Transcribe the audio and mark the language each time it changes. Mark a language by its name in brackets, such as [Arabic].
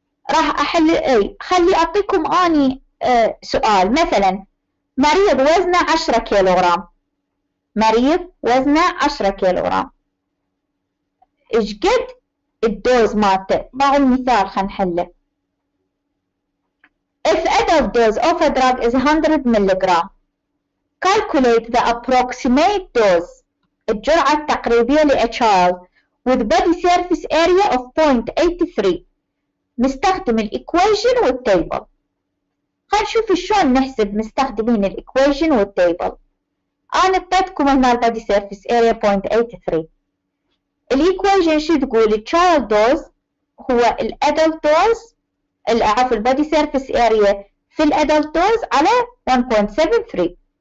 [Arabic] راح احل اي، خلي اعطيكم اني سؤال. مثلا مريض وزنه 10 كيلوغرام، مريض وزنه 10 كيلوغرام، ايش قد الدوز مالته؟ ضعوا المثال خلينا نحله. [English] If adult dose of a drug is 100 milligram, calculate the approximate dose, [Arabic] الجرعة التقريبية ل [English] a child with body surface area of 0.83. [Arabic] نستخدم ال equation وال table. خلينا نشوف شلون نحسب مستخدمين ال equation وال table. أنا اعطيتكم هنا ال body surface area 0.83. الإيكواجين شو تقول؟ child dose هو الأدلت دوز، عفوا البادي سيرفيس اريا في الأدلت دوز على 1.73.